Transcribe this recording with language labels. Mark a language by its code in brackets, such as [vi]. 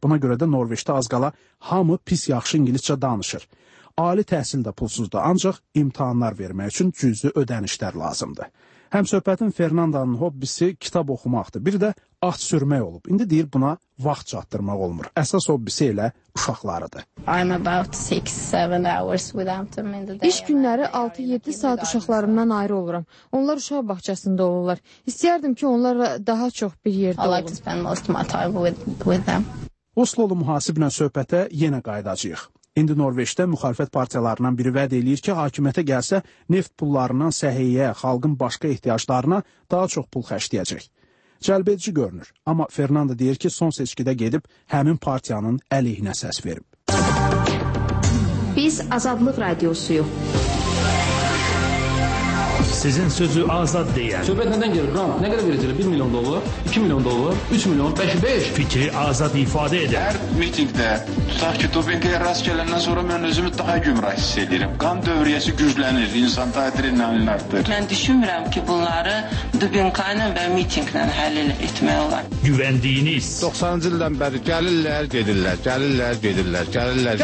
[az] Buna görə də Norveçdə az qala hamı pis yaxşı ingiliscə danışır. Ali təhsil də pulsuzdur, ancaq imtahanlar vermək üçün cüzi ödənişlər lazımdır. Həm söhbətin Fernandanın hobbisi kitab oxumaqdır, bir də at sürmək olub. İndi deyir, buna vaxt çatdırmaq olmur. Əsas hobbisi elə uşaqlarıdır. [en] I'm about 6-7 hours without them in the day. [az] İş günləri 6-7 saat uşaqlarımdan ayrı oluram. Onlar uşaq bağçasında olurlar. İstəyərdim ki, onlarla daha çox bir yerdə olum. [en] I like to spend most of my time with them. [az] Oslolu mühasiblə söhbətə yenə qayıdacaq. İndi Norveçdə müxalifət partiyalarından biri vəd eləyir ki, hakimiyyətə gəlsə, neft pullarından səhiyyə, xalqın başqa ehtiyaclarına daha çox pul xərcləyəcək. Cəlb edici görünür, amma Fernando deyir ki, son seçkidə gedib həmin partiyanın əleyhinə səs verib. Biz Azadlıq Radiosuyuq. Sizin sözü azad deyən. Söhbət nədən gəlir? Qram, nə qədər verəcəli? 1 milyon dolar, 2 milyon dolar, 3 milyon, 5-5. Fikri azad ifadə edir. Hər mitingdə tutaq ki, dopingə rast gələndən sonra mən özümü daha gümrah hiss edirəm. Qan dövriyyəsi güclənir, insanda adrenalin artır. Mən düşünmürəm ki, bunları dopingkayla və mitinglə həll etmək olar. Güvəndiyiniz. 90-cı ildən bəri gəlirlər, gedirlər, gəlirlər, gedirlər, gəlirlər, gedirlər.